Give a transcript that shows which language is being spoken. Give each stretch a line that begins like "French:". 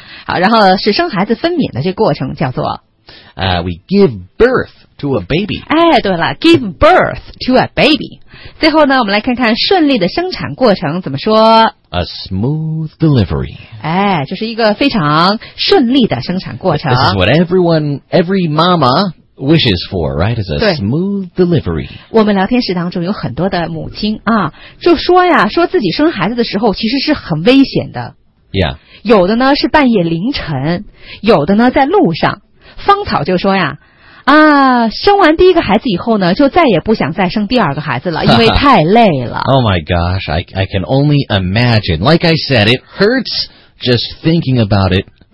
Chinese: 好，然后是生孩子分娩的这过程叫做。
English: We give birth to a baby.
Chinese: 哎，对了
English: ，give birth to a baby.
Chinese: 最后呢，我们来看看顺利的生产过程怎么说。
English: A smooth delivery.
Chinese: 哎，就是一个非常顺利的生产过程。
English: This is what every mama wishes for, right? It's a smooth delivery.
Chinese: 我们聊天室当中有很多的母亲啊，就说呀，说自己生孩子的时候其实是很危险的。
English: Yeah.
Chinese: 有的呢是半夜凌晨，有的呢在路上。芳草就说呀，啊，生完第一个孩子以后呢，就再也不想再生第二个孩子了，因为太累了。
English: Oh my gosh, I can only imagine. Like I said, it hurts just thinking about it.